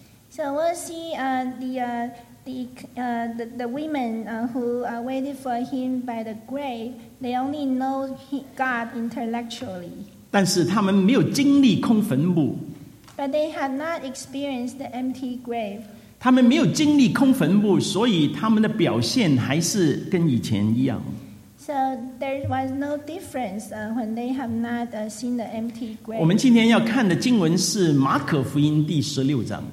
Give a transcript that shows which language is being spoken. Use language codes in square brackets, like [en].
[en] So we'll see the women who waited for him by the grave, they only know God intellectually. [zh] 但是他们没有经历空坟墓。 [en] But they have not experienced the empty grave. [zh] 他们没有经历空坟墓，所以他们的表现还是跟以前一样。 [en] So there was no difference when they have not seen the empty grave. [zh] 我们今天要看的经文是马可福音第16章。